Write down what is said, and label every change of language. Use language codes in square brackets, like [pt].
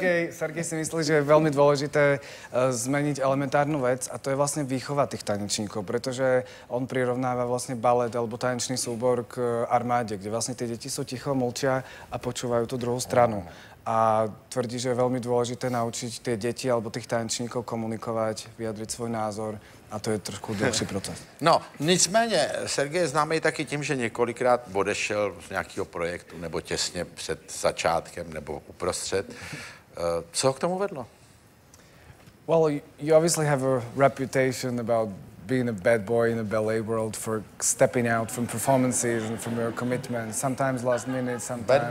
[sk] Sergej si myslí, že je veľmi dôležité zmeniť elementárnu vec, a to je vlastne výchova tých tanečníkov, pretože on prirovnáva vlastne balet alebo tanečný súbor k armáde, kde vlastne tie deti sú ticho, mlčia a počúvajú tú druhú stranu. A tvrdí, že je veľmi dôležité naučiť tie deti alebo tých tanečníkov komunikovať, vyjadriť svoj názor, a to je trošku dlhší proces. [cs] No, nicméně, Sergej je známý taky tím, že několikrát odešel z nějakého projektu nebo těsně před začátkem nebo uprostřed. Co ho k tomu vedlo? [en] Well, you obviously have a reputation about being a bad boy in the ballet world for stepping out from performances and from your commitment, sometimes last minute, sometimes